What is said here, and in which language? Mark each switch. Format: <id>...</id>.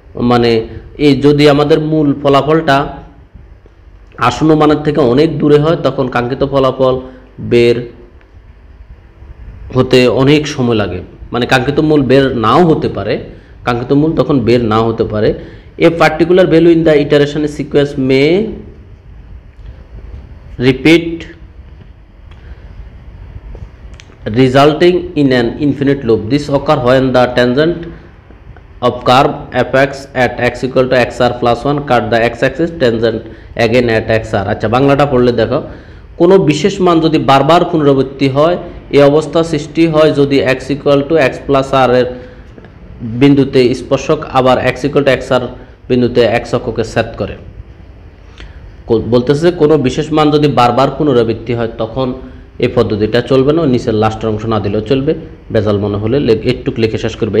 <bn>মানে এই যদি আমাদের মূল ফলাফলটা আসন্ন মানের থেকে অনেক দূরে হয়, তখন কাঙ্ক্ষিত ফলাফল বের হতে অনেক সময় লাগে, মানে কাঙ্ক্ষিত মূল বের নাও হতে পারে, কাঙ্ক্ষিত মূল তখন বের না হতে পারে।</bn> <en>A particular value in the iteration sequence may repeat resulting in an infinite loop. This occurs when the tangent of curve fx at x equal to xr plus 1 cut the x-axis tangent again at xr.</en> <bn>আচ্ছা বাংলাটা পড়লে দেখো, কোন বিশেষ মান যদি বারবার পুনরাবৃত্তি হয়, এই অবস্থা সৃষ্টি হয় যদি</bn> <en>x equal to x plus r</en> <bn>এর বিন্দুতে স্পর্শক আবার</bn> <en>x equal to xr</en> <bn>বিন্দুতে x অক্ষকে ছেদ করে। বলতেছে কোন বিশেষ মান যদি বারবার পুনরাবৃত্তি হয় তখন এই পদ্ধতিটা চলবে না, নিচের লাস্টের অংশ না দিলেও চলবে, বেজাল মনে হলে একটুক লিখে শেষ করবে।</bn>